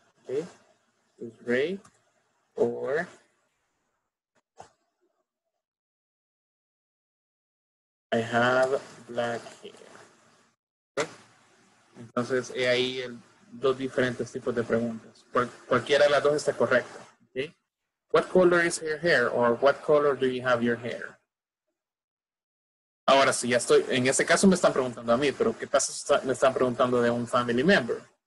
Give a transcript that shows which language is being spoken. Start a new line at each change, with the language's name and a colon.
English: Okay, is gray. Or I have black hair.
Spanish: Entonces, he ahí el, dos diferentes tipos de preguntas. Cualquiera de las dos está correcta. Okay.
English: What color is your hair? Or what color do you have your hair?
Spanish: Ahora sí, ya estoy. En ese caso me están preguntando a mí, pero ¿qué pasa si me están preguntando de un family member?